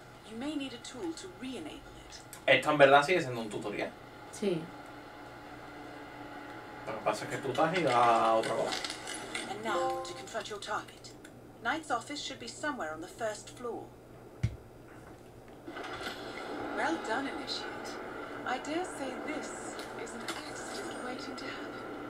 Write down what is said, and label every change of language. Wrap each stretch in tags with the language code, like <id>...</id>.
<en>You may need a tool to re-enable it.</en> <es>Esto en verdad sigue siendo un tutorial. Sí. Lo que pasa es que tú te has ido a otro lado.</es> <en>And now to confront your target. Knight's office should be somewhere on the first floor. Well done, initiate. I dare say this is an accident waiting to happen.</en>